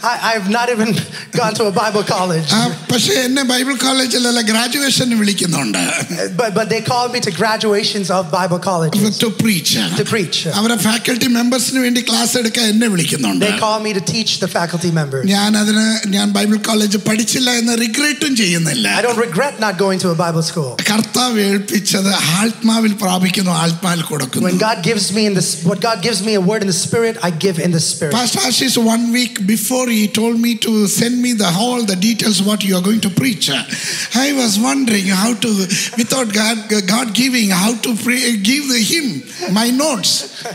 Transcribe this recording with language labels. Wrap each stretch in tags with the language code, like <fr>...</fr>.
<en>I've not even gone to a Bible college.</en> <ml>പക്ഷെ എന്നെ Bible കോളേജിലല്ല ഗ്രാജുവേഷന് വിളിക്കുന്നുണ്ട്.</ml> <en>But they called me to graduations of Bible colleges. To preach.</en> <ml>അവരുടെ faculty മെമ്പേഴ്സിന് വേണ്ടി class എടുക്കാൻ എന്നെ വിളിക്കുന്നുണ്ട്.</ml> <en>They called me to teach the faculty members.</en> <ml>ഞാൻ Bible college പഠിച്ചില്ല എന്ന് റിഗ്രറ്റും ചെയ്യുന്നില്ല.</ml> <en>I don't regret not going to a Bible school.</en> <ml>കർത്താവ് ഏൽപ്പിച്ചത് ആത്മാവിൽ പ്രാപിക്കുന്നു, ആത്മാവിൽ കൊടുക്കുന്നു.</ml> <en>What God gives me a word in the spirit, I give in the spirit. Pastor Ashish, 1 week before he told me to send me the whole the details what you are going to preach. I was wondering how to, without God giving, how to give him my notes.</en>